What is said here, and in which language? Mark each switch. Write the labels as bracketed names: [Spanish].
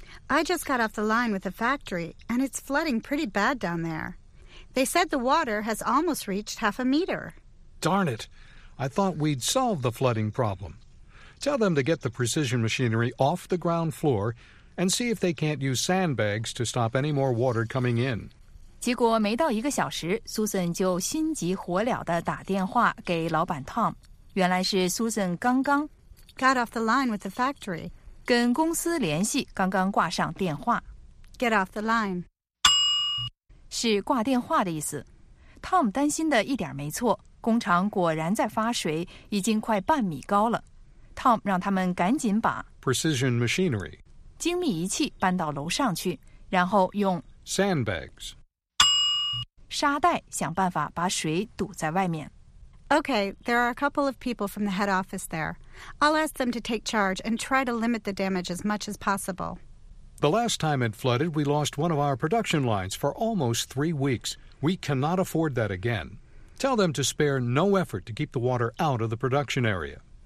[English] I just got off the line with the factory, and it's flooding pretty bad down there. They said the water has almost reached half a meter. Darn it. I thought we'd solve the flooding problem. Tell them to get the precision machinery off the ground floor and see if they can't use sandbags to stop any more water coming in. [Chinese] 结果没到一个小时， Susan 就心急火燎地打电话给老板 Tom。原来是 Susan 刚刚 [English] got off the line with the factory. [Chinese] 跟公司联系，刚刚挂上电话。 [English] Get off the line. [Chinese] 是挂电话的意思。 Tom 担心的一点没错，工厂果然在发水，已经快半米高了。 Tom 让他们赶紧把 [English] precision machinery [Chinese] 精密仪器搬到楼上去，然后用 [English] sandbags [Chinese] 沙袋想办法把水堵在外面。 [English] Okay, there are a couple of people from the head office there. I'll ask them to take charge and try to limit the damage as much as possible. The last time it flooded, we lost one of our production lines for almost 3 weeks. We cannot afford that again. Tell them to spare no effort to keep the water out of the production area.